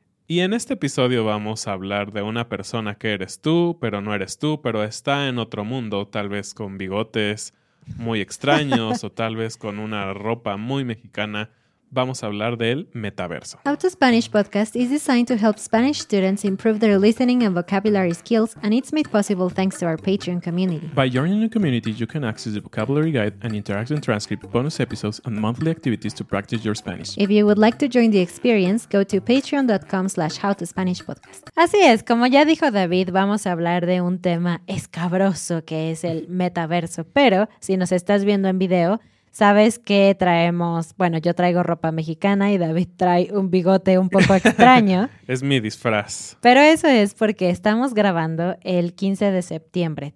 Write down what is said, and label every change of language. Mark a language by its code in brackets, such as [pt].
[es] Y en este episodio vamos a hablar de una persona que eres tú, pero no eres tú, pero está en otro mundo, tal vez con bigotes muy extraños o tal vez con una ropa muy mexicana. Vamos a hablar del metaverso. [en] How to Spanish Podcast is designed to help Spanish students improve their listening and vocabulary skills, and it's made possible thanks to our Patreon community. By joining the community, you can access the vocabulary guide and interactive transcript, bonus episodes, and monthly activities to practice your Spanish. If you would like to join the experience, go to patreon.com/howtospanishpodcast. [es] Así es, como ya dijo David, vamos a hablar de un tema escabroso que es el metaverso, pero si nos estás viendo en video, ¿sabes qué traemos? Bueno, yo traigo ropa mexicana y David trae un bigote un poco extraño. Es mi disfraz. Pero eso es porque estamos grabando el 15 de septiembre.